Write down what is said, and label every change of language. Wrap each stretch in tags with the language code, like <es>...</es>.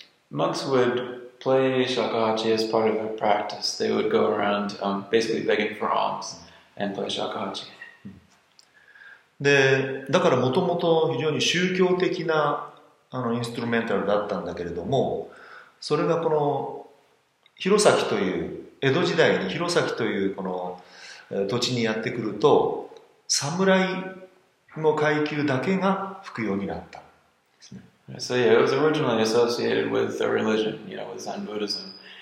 <en>Monks would play shakuhachi as part of a practice. They would go around basically begging for alms and play shakuhachi.</en> <ja>で、だからもともと非常に宗教的なあのインストゥルメンタルだったんだけれども、それがこの弘前という江戸時代に弘前というこの土地にやってくると侍の階級だけが服用になったんですね。</ja> <en>So yeah, it was originally associated with the religion, you know, with Zen Buddhism.</en>